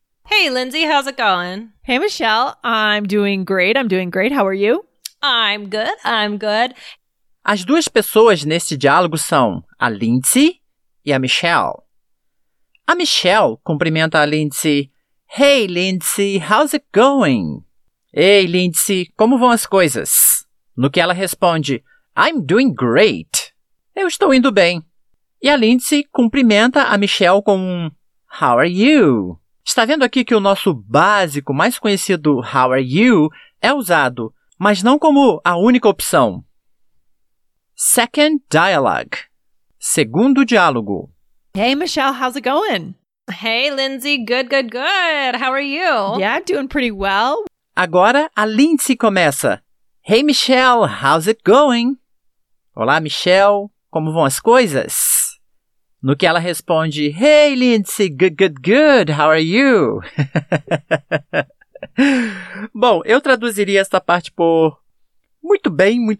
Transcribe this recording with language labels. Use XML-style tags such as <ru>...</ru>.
<en>Hey, Lindsay, how's it going? Hey, Michelle, I'm doing great. How are you? I'm good.</en> <pt>As duas pessoas neste diálogo são a Lindsay e a Michelle. A Michelle cumprimenta a Lindsay.</pt> <en>Hey, Lindsay, how's it going?</en> <pt>Ei, Lindsay, como vão as coisas? No que ela responde,</pt> <en>I'm doing great.</en> <pt>Eu estou indo bem. E a Lindsay cumprimenta a Michelle com um</pt> <en>how are you?</en> <pt>Está vendo aqui que o nosso básico, mais conhecido</pt> <en>how are you,</en> <pt>é usado, mas não como a única opção.</pt> <en>Second dialogue.</en> <pt>Segundo diálogo.</pt> <en>Hey, Michelle, how's it going? Hey, Lindsay, good. How are you? Yeah, doing pretty well.</en> <pt>Agora, a Lindsay começa. Hey, Michelle, how's it going? Olá, Michelle, como vão as coisas? No que ela responde,</pt> <en>hey, Lindsay, good, how are you?</en> <pt>Bom, eu traduziria essa parte por muito bem.</pt>